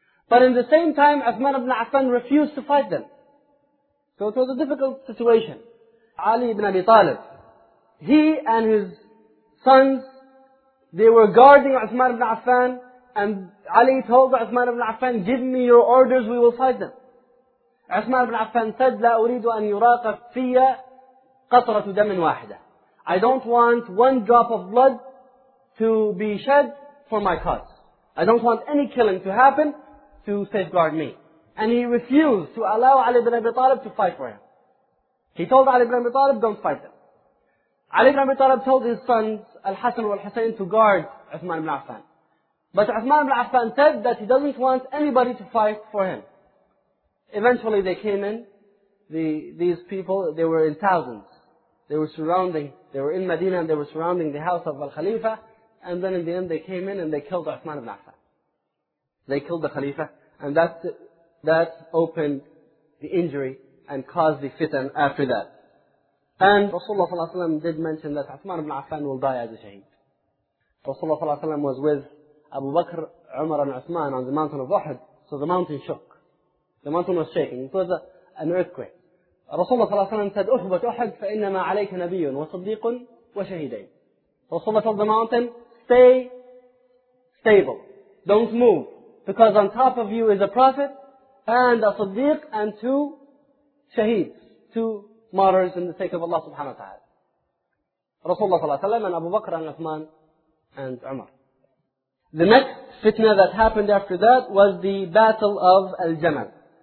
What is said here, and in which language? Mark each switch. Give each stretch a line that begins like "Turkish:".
English: But in the same time, Uthman ibn Affan refused to fight them. So it was a difficult situation. Ali ibn Abi Talib, he and his sons, they were guarding Uthman ibn Affan, and Ali told Uthman ibn Affan, give me your orders, we will fight them. Uthman ibn Affan said,
Arabic: لا أريد أن يراق في قطرة دم واحدة.
English: I don't want one drop of blood to be shed for my cause. I don't want any killing to happen to safeguard me. And he refused to allow Ali ibn Abi Talib to fight for him. He told Ali ibn Abi Talib, don't fight them. Ali ibn Abi Talib told his sons, Al-Hasan and Al-Husayn, to guard Uthman ibn Affan. But Uthman ibn Affan said that he doesn't want anybody to fight for him. Eventually they came in, these people, they were in thousands. They were in Medina, and they were surrounding the house of Al-Khalifa. And then in the end, they came in and they killed Uthman ibn Affan. They killed the Khalifa. And that opened the injury and caused the fitan after that. And Rasulullah ﷺ did mention that Uthman ibn Affan will die as a shaheed. Rasulullah ﷺ was with Abu Bakr, Umar and Uthman on the mountain of Uhud. So the mountain shook. The mountain was shaking. It was an earthquake.
Arabic: Rasulullah صلى الله عليه وسلم said, أُحْبَتْ أُحْبَتْ فَإِنَّمَا عَلَيْكَ نَبِيٌّ وَصَدِّيقٌ وَشَهِدَيْنِ
English: Rasulullah told the mountain, stay stable. Don't move. Because on top of you is a prophet and a صديق and two shaheeds. Two martyrs in the sake of Allah subhanahu wa ta'ala. Rasulullah
Arabic: صلى الله عليه وسلم
English: and Abu Bakr and Uthman and Umar. The next fitna that happened after that was the battle of Al-Jamal.